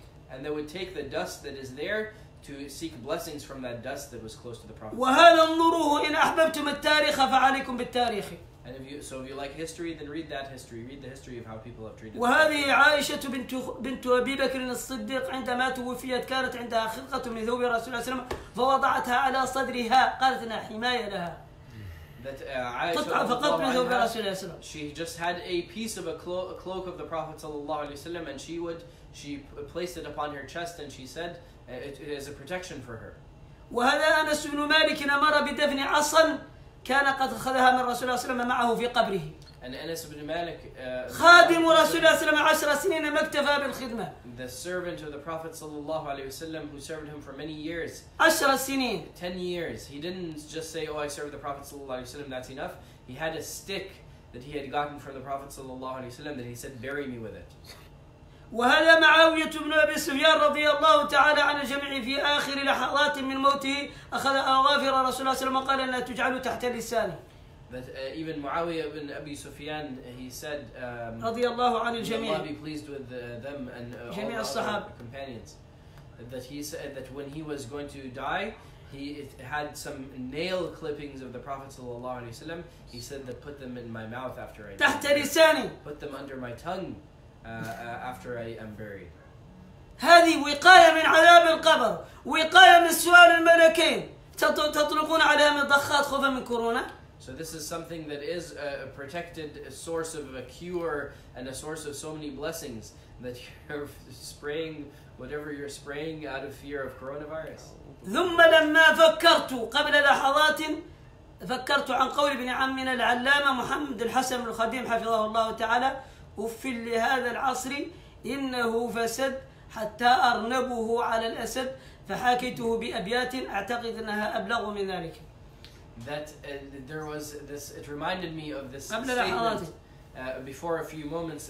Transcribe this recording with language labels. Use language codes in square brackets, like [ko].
[en] And they would take the dust that is there to seek blessings from that dust that was close to the Prophet. [ar] وَهَلَ انْظُرُوهُ إِنْ أَحْبَبْتُمَ التَّارِيخَ فَعَلَيْكُمْ بِالتَّارِيخِ [en] And if you, so if you like history, then read that history. Read the history of how people have treated. [ar] وهذه عائشة بنت أبي بكر الصديق عندما توفيت كانت عندها خرقة من ثوب رسول الله صلى الله عليه وسلم فوضعتها على صدرها قالت إنها حماية لها. [en] That Aisha, [ar] فقط من ثوب رسول الله صلى الله عليه وسلم. [en] She just had a piece of a cloak of the Prophet صلى الله عليه وسلم, and she placed it upon her chest, and she said, it is a protection for her. [ar] وهذا أنس بن مالك أمر بدفن عصا كان قد أخذها من رسول الله صلى الله عليه وسلم معه في قبره. [en] And Anas ibn Malik, [ar] خادم رسول الله صلى الله عليه وسلم 10 سنين ما اكتفى بالخدمة. [en] The servant of the Prophet صلى الله عليه وسلم who served him for many years. [ar] 10 سنين. [en] 10 years. He didn't just say, oh, I served the Prophet صلى الله عليه وسلم, that's enough. He had a stick that he had gotten from the Prophet صلى الله عليه وسلم that he said, bury me with it. [ar] وهذا معاوية بن أبي سفيان رضي الله تعالى عن الجميع في آخر لحظات من موته أخذ أظافر رسول الله صلى الله عليه وسلم وقال لا تجعلوا تحت لسانه. [en] But even Muawiyah ibn Abi Sufyan, he said, [ar] رضي الله عن الجميع, [en] may Allah be pleased with them and [ar] جميع [en] all [ar] الصحاب. [en] The companions, that he said that when he was going to die, he had some nail clippings of the Prophet sallallahu alaihi wasallam. He said that put them in my mouth after I [ar] تحت لساني. [en] Put them under my tongue after I am buried. [ar] هذه وقاية من عذاب القبر, وقاية من سؤال الملكين. تطلقون عليهم الضخات خوفا من كورونا. [en] So this is something that is a protected source of a cure and a source of so many blessings that you're spraying whatever you're spraying out of fear of coronavirus. [ar] ثم لما فكرت قبل لحظات فكرت عن قول ابن عمنا العلامة محمد الحسن الخديم حفظه الله تعالى أفل لهذا العصر إنه فسد حتى أرنبه على الأسد فحاكيته بأبيات أعتقد أنها أبلغ من ذلك. [en] That there was this, it reminded me of this statement before a few moments.